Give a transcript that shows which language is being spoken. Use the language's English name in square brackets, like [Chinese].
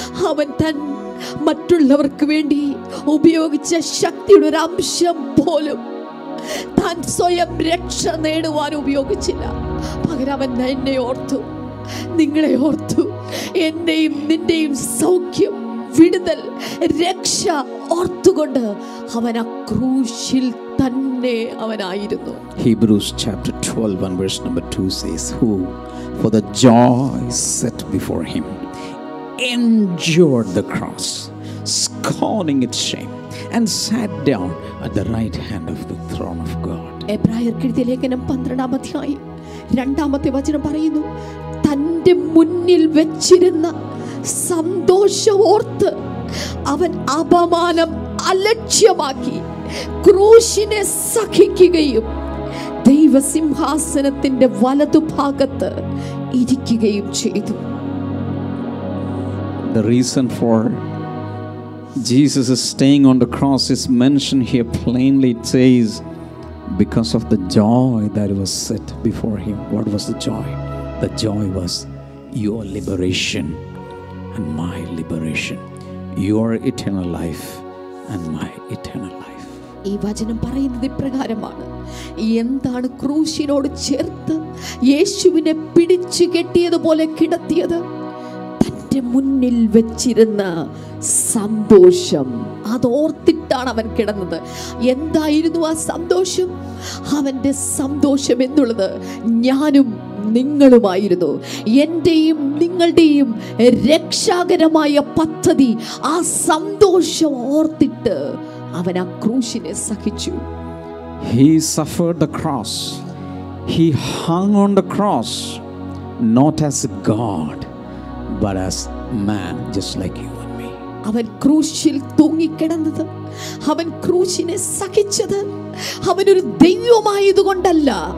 [Malayalam] അവൻ തൻ മറ്റുള്ളവർക്ക് വേണ്ടി ഉപയോഗിച്ച ശക്തിയുടെ ഒരു അംശം പോലും താൻ സ്വയം രക്ഷ നേടുവാൻ ഉപയോഗിച്ചില്ല. പകരം അവൻ എന്നെ ഓർത്തു, നിങ്ങളെ ഓർത്തു, എന്നെയും നിന്റെയും സൗഖ്യം, വിടുതൽ, രക്ഷ ഓർത്തുകൊണ്ട് അവൻ ആ ക്രൂശിൽ തന്നെ അവനായിരുന്നു. [English] Hebrews chapter 12 and verse number 2 says, who for the joy set before him endured the cross, scorning its shame, and sat down at the right hand of the throne of God. [Malayalam] എബ്രായർ കീർത്തി ലേഖനം 12 അധ്യായം 2 വചനം പറയുന്നു, തന്റെ മുന്നിൽ വെച്ചിരുന്ന സന്തോഷമോർത്ത് അവൻ അപമാനം അലക്ഷ്യമാക്കി ക്രൂശിനെ സഹിക്കുകയും ദൈവസിംഹാസനത്തിന്റെ വലതുഭാഗത്ത് ഇരിക്കുകയും ചെയ്തു. [English] The reason for Jesus staying on the cross is mentioned here plainly. It says because of the joy that was set before him. What was the joy? The joy was your liberation and my liberation, your eternal life and my eternal life. [Malayalam] ഈ വചനം പറയുന്നത് ഇപ്രകാരമാണ്, എന്താണ് ക്രൂശിനോട് ചേർത്ത് യേശുവിനെ പിടിച്ചു കെട്ടിയതുപോലെ കിടത്തിയത്? തന്റെ മുന്നിൽ വെച്ചിരുന്ന സന്തോഷം, അതോർത്തിട്ടാണ് അവൻ കിടന്നത്. എന്തായിരുന്നു ആ സന്തോഷം? അവൻ്റെ സന്തോഷം എന്നുള്ളത് ഞാനും നിങ്ങളുമായിരുന്നു. എൻ്റെയും നിങ്ങളുടെയും രക്ഷാകരമായ പദ്ധതി, ആ സന്തോഷം ഓർത്തിട്ട് അവൻ ആ ക്രൂശിനെ സഹിച്ചു. [English] He suffered the cross. He hung on the cross, not as God, but as man, just like you and me. [Malayalam] അവൻ ക്രൂശിൽ തൂങ്ങി കിടന്നത് അവൻ ക്രൂശിനെ സഹിച്ചത് അവനൊരു ദൈവമായതുകൊണ്ടല്ല,